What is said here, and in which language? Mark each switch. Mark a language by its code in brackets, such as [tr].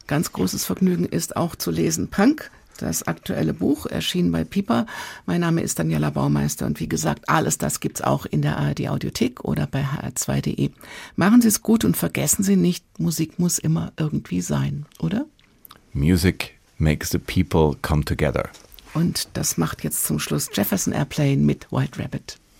[de] Ganz großes Vergnügen ist auch zu lesen Punk, das aktuelle Buch, erschienen bei Piper. Mein Name ist Daniela Baumeister und wie gesagt, alles das gibt's auch in der ARD Audiothek oder bei hr2.de. Machen Sie es gut und vergessen Sie nicht, Musik muss immer irgendwie sein, oder? [en] Music makes the people come together. [de] Und das macht jetzt zum Schluss Jefferson Airplane mit White Rabbit.